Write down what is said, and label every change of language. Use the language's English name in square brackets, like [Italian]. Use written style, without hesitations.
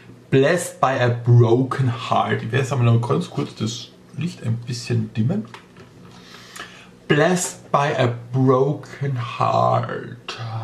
[English] Blessed by a broken heart. [German] Ich werde jetzt einmal noch ganz kurz das Licht ein bisschen dimmen. [English] Blessed by a broken heart.